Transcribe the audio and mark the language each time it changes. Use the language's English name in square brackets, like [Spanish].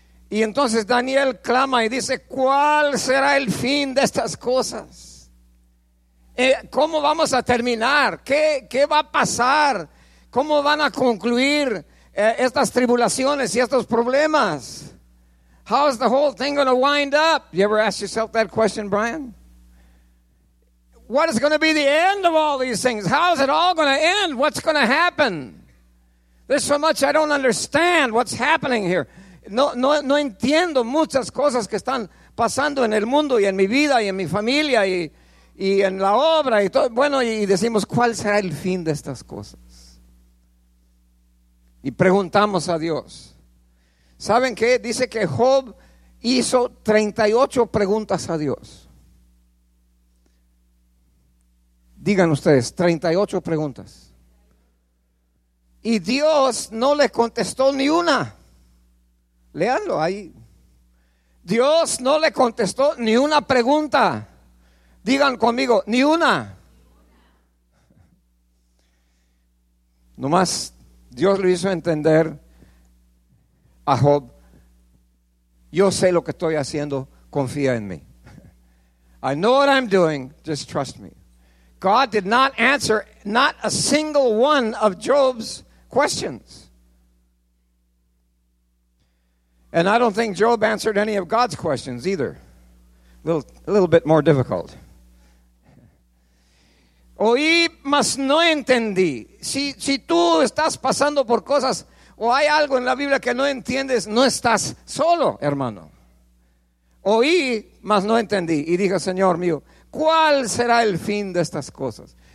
[Spanish] Y entonces Daniel clama y dice, ¿cuál será el fin de estas cosas? ¿Cómo vamos a terminar? ¿Qué va a pasar? ¿Cómo van a concluir estas tribulaciones y estos problemas? [English] How is the whole thing going to wind up? You ever ask yourself that question, Brian? What is going to be the end of all these things? How is it all going to end? What's going to happen? There's so much I don't understand what's happening here. [Spanish] No entiendo muchas cosas que están pasando en el mundo y en mi vida y en mi familia y en la obra y todo. Bueno, y decimos, ¿cuál será el fin de estas cosas? Y preguntamos a Dios. ¿Saben qué? Dice que Job hizo 38 preguntas a Dios. digan ustedes, 38 preguntas. Y Dios no le contestó ni una. Léanlo ahí. Dios no le contestó ni una pregunta. Digan conmigo, ni una. Nomás Dios le hizo entender a Job: yo sé lo que estoy haciendo, confía en mí. [English] I know what I'm doing, just trust me. God did not answer not a single one of Job's questions. And I don't think Job answered any of God's questions either. A little bit more difficult. [Spanish] Oí, mas no entendí. Si tú estás pasando por cosas o hay algo en la Biblia que no entiendes, no estás solo, hermano. Oí, mas no entendí. Y dije, Señor mío, ¿cuál será el fin de estas cosas?